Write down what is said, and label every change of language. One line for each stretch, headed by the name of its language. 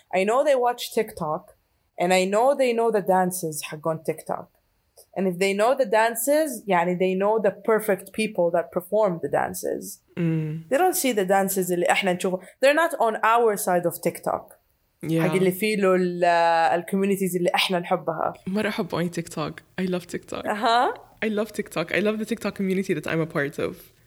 English: I know they watch TikTok, and I know they know the dances
Arabic: حقون
English: TikTok. And if they know the dances,
Arabic: يعني
English: they know the perfect people that perform the dances. They don't see the dances
Arabic: اللي احنا نشوفه.
English: They're not on our side of TikTok. Yeah.
Arabic: حق اللي فيه له الكوميونيتيز اللي احنا نحبها. ما احب اي تيك توك.
English: I love TikTok. Uh-huh. I love TikTok. I love the TikTok community that I'm a part of.